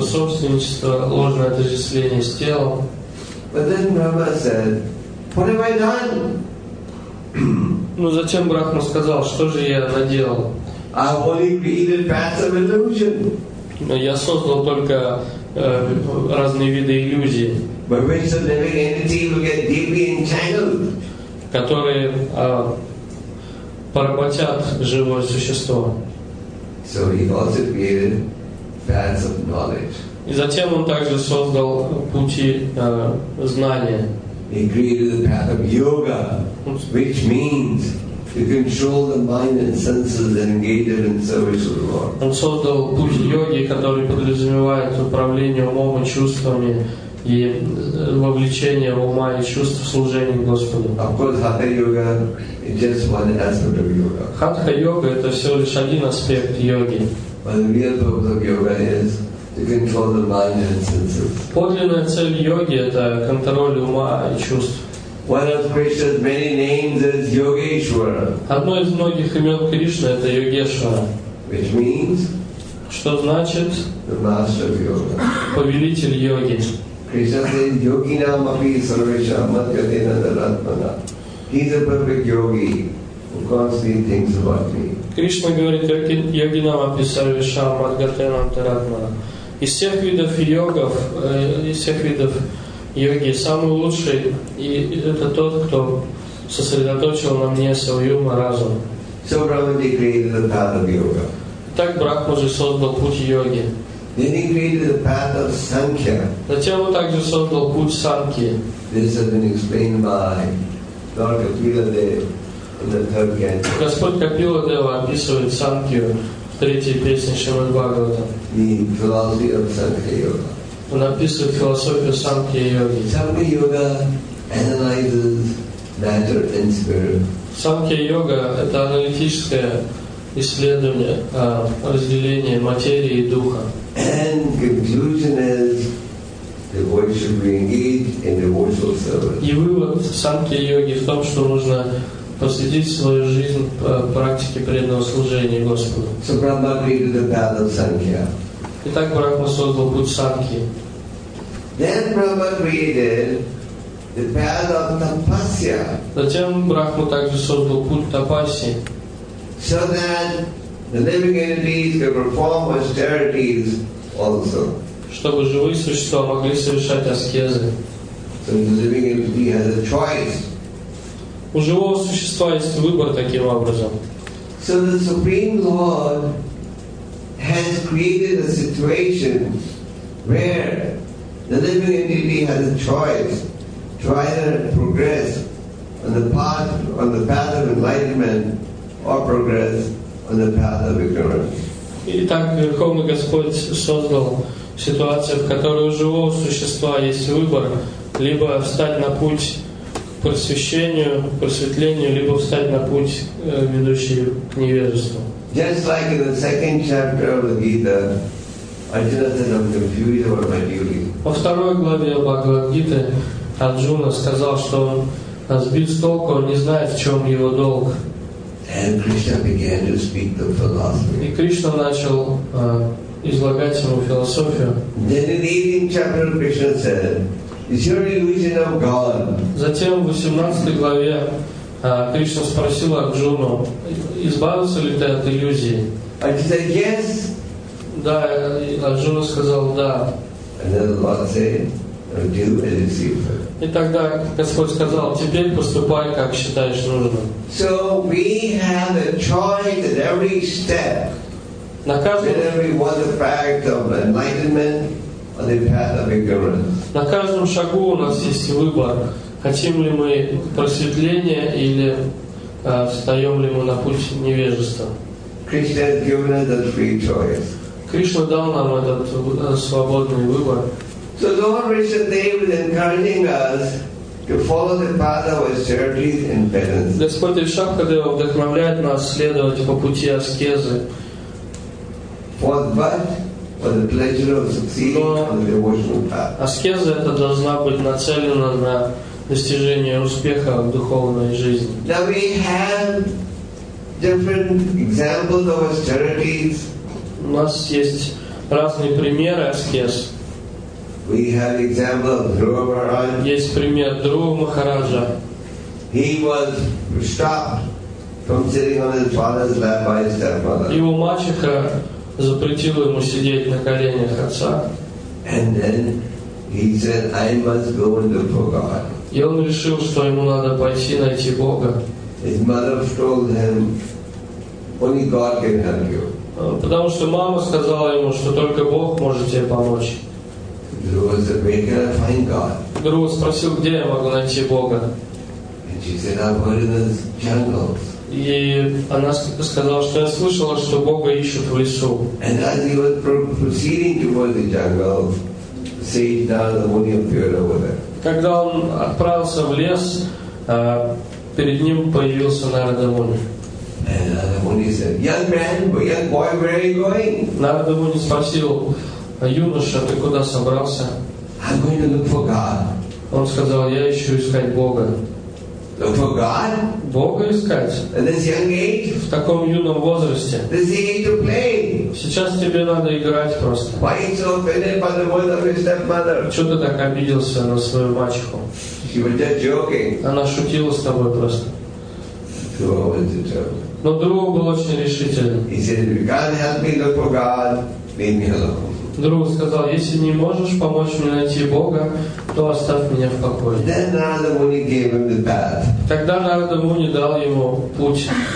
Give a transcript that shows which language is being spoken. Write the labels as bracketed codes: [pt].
[ru] собственничество, ложное отождествление с телом. [en] But then Brahma said, "What have I done?" [ru] Ну затем Брахма сказал, что же я наделал? [en] I only created paths of illusion. [ru] Но я создал только разные виды иллюзий. [en] By which the living entity will get deeply entangled. [ru] Которые поработят живое существо. [en] So he also created paths of knowledge. [ru] И затем он также создал пути знания. [en] He created the path of yoga, which means to control the mind and senses and engage it in service of the Lord. [ru] Он создал путь йоги, который подразумевает управление умом и чувствами и вовлечение ума и чувств в служение Господу. [en] Of course, hatha yoga. It's just one aspect of yoga. [ru] Хатха йога — это всего лишь один аспект йоги. [en] But the real purpose of yoga is to control the mind and senses. [ru] Подлинная цель йоги — это контроль ума и чувств. [en] One of Krishna's many names is Yogeshwara. [ru] Одно из многих имен Кришны — это Йогешвара. [en] Which means? [ru] Что значит? [en] The master of yoga. [ru] Повелитель йоги. [en] Krishna says, [sa] Yoginam api sarvesham adhyatena daratmana. [en] He's a perfect yogi who constantly thinks about me. [ru] Кришна говорит, [sa] йогинам апи сарвешам адхьятенам даратмана. [ru] Из всех видов йогов, из всех видов йоги, самый лучший, и это тот, кто сосредоточил на мне свою разум. [en] So Brahmaji created the path of yoga. [ru] Так Брахма же создал путь йоги. [en] Then he created the path of Sankhya. [ru] Затем он также создал путь Санки. [en] This has been explained by Lord Kapila Dev in the third canto. [ru] Господь Капила Дева описывает Санкью в третьей песне Шримад Бхагавата. [en] The philosophy of Sankhya Yoga. [ru] Он описывает философию Санкья Йоги. [en] Sankhya Yoga analyzes matter and spirit. [ru] Санкья Йога — это аналитическое исследование разделения материи и духа. [en] And conclusion is the boy should be engaged in devotional service. [ru] И вывод Санкья Йоги в том, что нужно посвятить свою жизнь практике преданного служения Господу. [en] So Brahma created the path of Sankhya. [ru] Итак, Брахма создал путь Санкхи. [en] Then Brahma created the path of Tapasya. [ru] Затем Брахма также создал путь Тапаси. [en] So that the living entities can perform austerities also. [ru] Чтобы живые существа могли совершать аскезы. [en] So the living entity has a choice. [ru] У живого существа есть выбор таким образом. [en] So the Supreme Lord has created a situation where the living entity has a choice to either progress on the path of enlightenment or progress on the path of ignorance. [ru] Итак, Верховный Господь создал ситуацию, в которой у живого существа есть выбор либо встать на путь к просвещению, к просветлению, либо встать на путь, ведущий к невежеству. [en] Just like in the second chapter of the Gita, Arjuna said, I'm confused about my duty. [ru] Во второй главе Бхагавад-гиты Арджуна сказал, что он сбит с толку, он не знает, в чем его долг. [en] And Krishna began to speak the philosophy. [ru] И Кришна начал излагать ему философию. [en] Then in the 18th chapter, Krishna said, is your illusion of God? [ru] Затем в 18 главе Кришна спросил Арджуну, избавился ли ты от иллюзии? [en] Arjuna said, yes. [ru] Да, Арджуна сказал, да. [en] And then the Lord said, do as you see fit. [ru] И тогда Господь сказал, теперь поступай, как считаешь нужным. [en] So we have a choice at every step. [ru] На каждом... [en] Whether we want the fact of enlightenment or the path of ignorance. [ru] На каждом шагу у нас есть выбор. Хотим ли мы просветления или встаем ли мы на путь невежества? [en] Krishna has given us a free choice. [ru] Кришна дал нам этот свободный выбор. [en] So Lord Rishabhdev is encouraging us to follow the path of austerities and penance. [ru] Господь Ришабхадева вдохновляет нас следовать по пути аскезы. [en] For what? For the pleasure of succeeding on the devotional path. [ru] Аскеза эта должна быть нацелена на достижение успеха в духовной жизни. [en] Now we have different examples of austerities. [ru] У нас есть разные примеры аскез. [en] We have example of Dhruva Maharaj. [ru] Есть пример Дхрува Махараджа. [en] He was stopped from sitting on his father's lap by his stepmother. [ru] Его мачеха запретила ему сидеть на коленях отца. [en] And then he said, I must go and look for God. [ru] И он решил, что ему надо пойти найти Бога. [en] His mother told him, only God can help you. [ru] Потому что мама сказала ему, что только Бог может тебе помочь. [en] Dhruva said, where can I find God? [ru] Dhruva спросил, где я могу найти Бога. [en] And she said, I've heard in the jungles. [ru] И она сказала, что я слышала, что Бога ищут в лесу. [en] And as he was proceeding towards the jungles, sage Narada Muni appeared over there. [ru] Когда он отправился в лес, перед ним появился Нарада Муни. [en] And Narada Muni said, young man, young boy, where are you going? [ru] Нарада Муни спросил, юноша, ты куда собрался? [en] I'm going to look for God. [ru] Он сказал, я ищу искать Бога. [en] Look for God? [ru] Бога искать. [en] At this young age? [ru] В таком юном возрасте. [en] This age to play? [ru] Сейчас тебе надо играть просто. [en] Why are you so offended by the words of your stepmother? [ru] Чё ты так обиделся на свою мачеху? [en] She was just joking. [ru] Она шутила с тобой просто. [en] Dhruva was determined. [ru] Но Dhruva был очень решительный. [en] He said, if you can't help me look for God, [ru] Друг сказал, если не можешь помочь мне найти Бога, то оставь меня в покое. [en] Then Narada Muni gave him the path. [ru] Тогда Нарада Муни дал ему путь.